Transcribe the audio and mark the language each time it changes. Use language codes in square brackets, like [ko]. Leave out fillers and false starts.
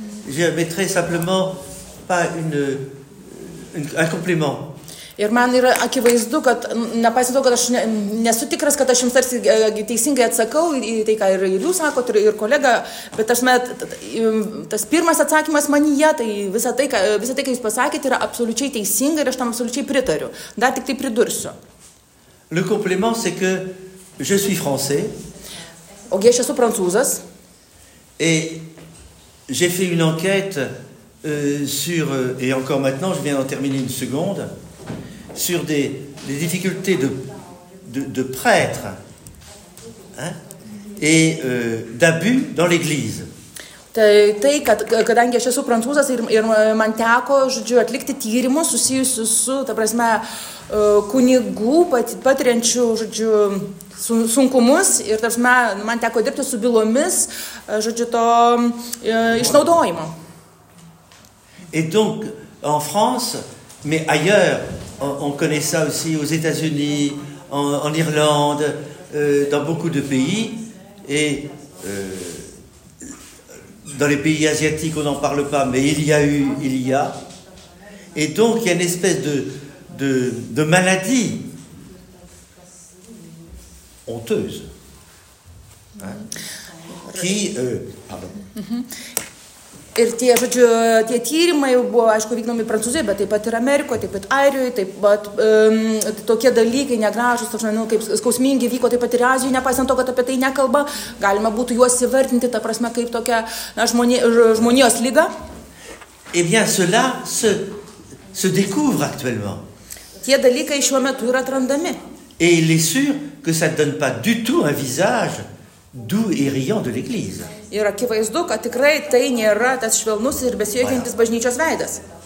[fr] Je mettrai simplement pas un complément. [lt] Ir man yra akivaizdu, kad nepaisant to, kad aš nesu tikras, kad aš jums tarsi teisingai atsakau į tai, ką ir jūs sakot, ir kolega, bet aš met, tas pirmas atsakymas manyje, tai visa tai, ką jūs pasakėt, yra absoliučiai teisinga ir aš tam absoliučiai pritariu. Dar tik tai pridursiu. [fr] Le complément, c'est que je suis français. [lt] Ogi aš esu prancūzas. [fr] Et j'ai fait une enquête sur, et encore maintenant, je viens d'en terminer une seconde, sur des difficultés de prêtres hein, et d'abus dans l'Église. [lt] Tai, kadangi aš esu prancūzas ir man teko, žodžiu, atlikti tyrimus susijusius su, ta prasme, kunigų patiriančių, žodžiu, sunkumus ir, ta prasme, man teko dirbti su bylomis, žodžiu, to išnaudojimo. [fr] Et donc, en France, mais ailleurs, on connaît ça aussi aux États-Unis, en Irlande, dans beaucoup de pays, et dans les pays asiatiques, on n'en parle pas, mais il y a. Et donc, il y a une espèce de maladie honteuse, hein, qui... pardon. [lt] Ir tie, žodžiu, tie tyrimai buvo, aišku, vykdomi Prancūzijoje, bet taip pat ir Amerikoje, taip pat Airijoje, taip pat tokie dalykai negražus, ta prasme, nu, kaip skausmingi vyko taip pat ir Azijoje, nepaisant to, kad apie tai nekalba, galima būtų juos įvertinti, ta prasme, kaip tokia žmonijos lyga. [fr] Et bien, cela se découvre actuellement. [lt] Tie dalykai šiuo metu yra atrandami. [fr] Et il est sûr que ça donne pas du tout un visage doux et riant de l'Église. [lt] Ir akivaizdu, kad tikrai tai nėra tas švelnus ir besijuokiantis bažnyčios veidas.